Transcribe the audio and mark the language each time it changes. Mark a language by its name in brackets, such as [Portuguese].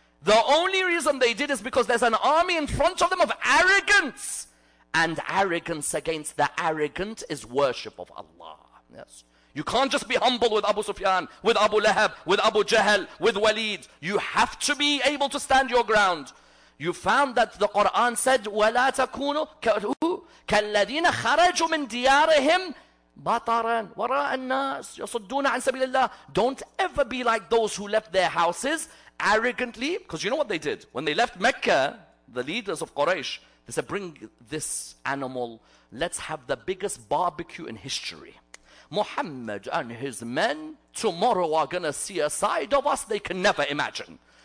[English] The only reason they did is because there's an army in front of them of arrogance. And arrogance against the arrogant is worship of Allah. Yes. You can't just be humble with Abu Sufyan, with Abu Lahab, with Abu Jahl, with Walid. You have to be able to stand your ground. You found that the Quran said, [Arabic] وَلَا تَكُونُوا كَالَّذِينَ خَرَجُوا مِنْ دِيَارِهِمْ بَطَرًا وَرَاءَ النَّاسِ يَصُدُّونَ عَنْ سَبِيلِ اللَّهِ. [English] Don't ever be like those who left their houses arrogantly. Because you know what they did? When they left Mecca, the leaders of Quraysh, they said, bring this animal, let's have the biggest barbecue in history. Muhammad and his men tomorrow are going to see a side of us they can never imagine.